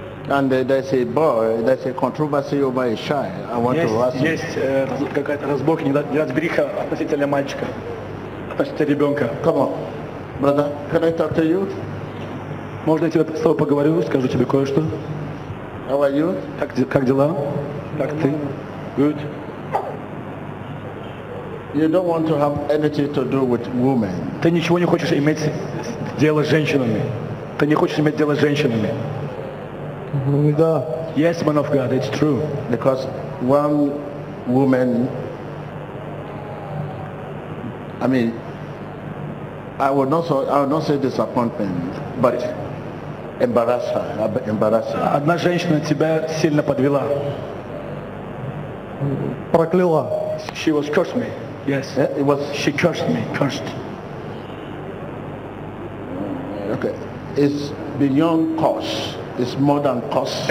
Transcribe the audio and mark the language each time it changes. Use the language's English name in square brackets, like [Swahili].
[English] And there's a boy, there's a controversy over a shy. I want [Russian] есть, [English] to ask. [Russian] Есть какая-то разборка, неразбериха относительно мальчика, относительно ребенка. [English] Come on, brother, can I talk to you? [Russian] Можно я тебе с тобой поговорю, скажу тебе кое-что. [English] How are you? [Russian] Как дела? Как ты? [English] Good. You don't want to have anything to do with women. [Russian] Ты ничего не хочешь иметь дело с женщинами. Ты не хочешь иметь дело с женщинами. [English] Yes, man of God, it's true. Because one woman, I mean, I would not say disappointment, but embarrass her. [Russian] Одна женщина тебя сильно подвела. Прокляла. [English] She was cursed me. Yes. Yeah, it was. She cursed me. Cursed. Okay. It's beyond curse. It's more than cost.